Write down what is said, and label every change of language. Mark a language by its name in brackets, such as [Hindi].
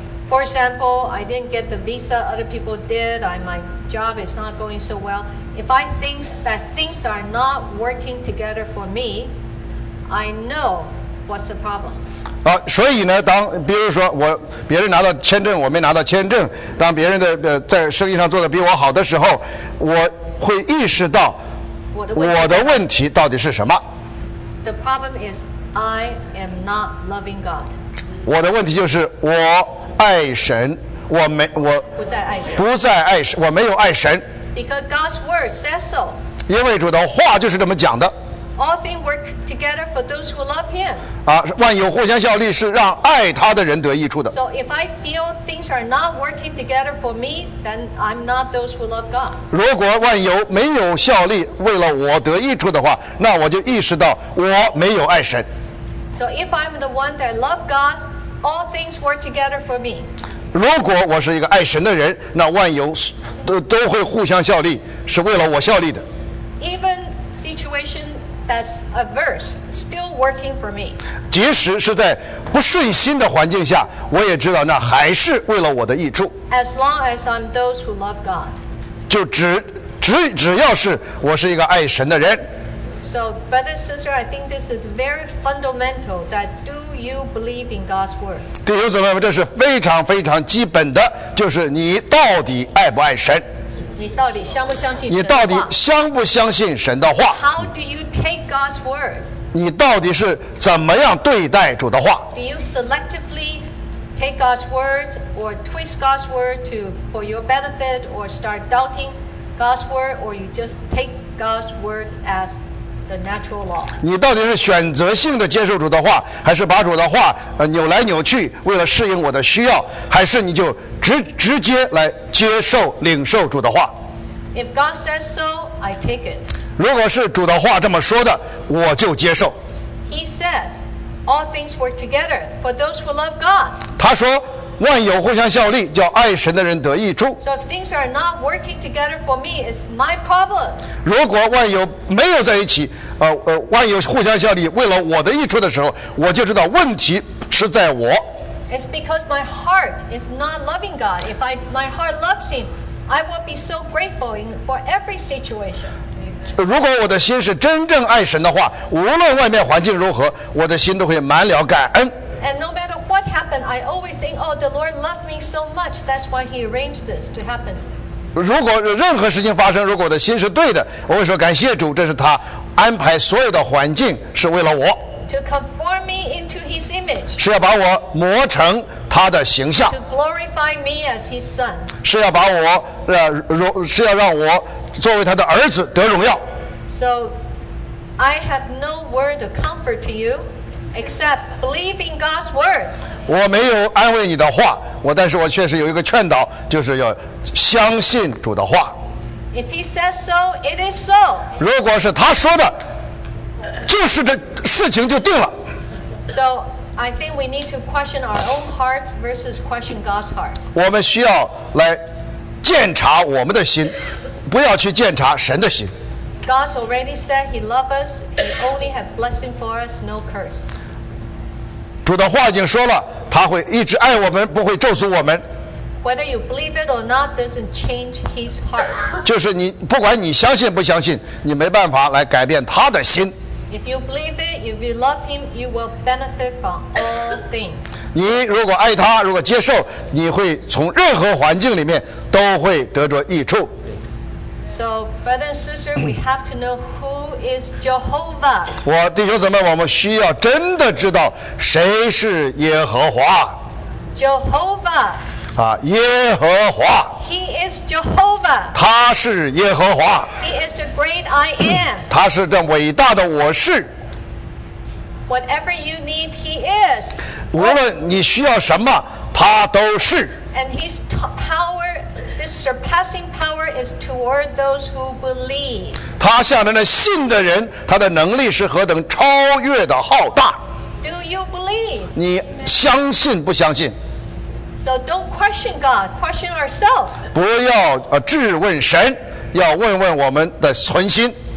[English] For example, I didn't get the visa other people did. My job is not going so well. If I think that things are not working together for me, I know what's the problem. [Chinese] 所以呢，当比如说我别人拿到签证，我没拿到签证，当别人的在生意上做得比我好的时候，我会意识到我的问题到底是什么。 [English] The problem is I am not loving God. [Chinese] 我的问题就是我。爱神，我不再爱神，我没有爱神。 [English] Because God's word says so. [Chinese] 因为主的话就是这么讲的。 [English] All things work together for those who love Him. [Chinese] 万有互相效力是让爱他的人得益处的。 [English] So if I feel things are not working together for me, then I'm not those who love God. [Chinese] 如果万有没有效力为了我得益处的话，那我就意识到我没有爱神。 [English] So if I'm the one that love God. All things work together for me. [Chinese] 如果我是一个爱神的人，那万有都会互相效力，是为了我效力的。 [English] Even situation that's adverse, still working for me. [Chinese] 即使是在不顺心的环境下，我也知道那还是为了我的益处。 [English] As long as I'm those who love God. [Chinese] 就只要是我是一个爱神的人。 [English] So, brother, sister, I think this is very fundamental that do you believe in God's word? [Chinese] 弟兄姊妹们，这是非常非常基本的，就是你到底爱不爱神？你到底相不相信神的话？你到底相不相信神的话 [English] ？How do you take God's word? [Chinese] 你到底是怎么样对待主的话 [English] ？Do you selectively take God's word or twist God's word to for your benefit or start doubting God's word or you just take God's word as [Chinese] 你到底是选择性的接受主的话，还是把主的话扭来扭去，为了适应我的需要，还是你就直接来接受领受主的话 [English] ？If God says so, I take it. [Chinese] 如果是主的话这么说的，我就接受。 [English] He says, all things work together for those who love God. [Chinese] 他说，万有互相效力，叫爱神的人得益处。 [English] So if things are not working together for me, it's my problem. [Chinese] 如果万有没有在一起，万有互相效力为了我的益处的时候，我就知道问题是在我。 [English] It's because my heart is not loving God. If my heart loves Him, I will be so grateful for every situation. [Chinese] 如果我的心是真正爱神的话，无论外面环境如何，我的心都会满了感恩。 [English] And no matter what happened, I always think, oh, the Lord loved me so much. That's why He arranged this to happen. [Chinese] 如果任何事情发生，如果我的心是对的，我会说感谢主，这是他安排所有的环境是为了我。 [English] To conform me into His image. [Chinese] 是要把我磨成他的形象。 [English] To glorify me as His son. [Chinese] 是要把我是要让我作为他的儿子得荣耀。 [English] So, I have no word of comfort to you. Except believing God's word. [Chinese] 我没有安慰你的话，但是我确实有一个劝导，就是要相信主的话。 [English] If He says so, it is so. [Chinese] 如果是他说的，就是这事情就定了。 [English] So I think we need to question our own hearts versus question God's heart. [Chinese] 我们需要来检查我们的心，不要去检查神的心。 [English] God's already said He loves us. He only has blessing for us, no curse. [Chinese] 主的话已经说了，他会一直爱我们，不会咒诅我们。 [English] Whether you believe it or not, doesn't change His heart. [Chinese] 就是你不管你相信不相信，你没办法来改变他的心。 [English] If you believe it, if you love Him, you will benefit from all things. [Chinese] 你如果爱他，如果接受，你会从任何环境里面都会得着益处。 [English] So, brother and sister, we have to know who is Jehovah. [Chinese] 我弟兄姊妹，我们需要真的知道谁是耶和华。 [English] Jehovah. [Chinese] 耶和华。 [English] He is Jehovah. [Chinese] 他是耶和华。 [English] He is the great I am. [Chinese] 他是这伟大的我是。 [English] Whatever you need, He is. [Chinese] 无论你需要什么，他都是。 [English] And His power. this surpassing power is toward those who believe. [Chinese] 他向着那信的人，他的能力是何等超越的浩大。 [English] Do you believe? [Chinese] 你相信不相信？ [English] So don't question God, question ourselves. [Chinese] 不要质问神，要问问我们的存心。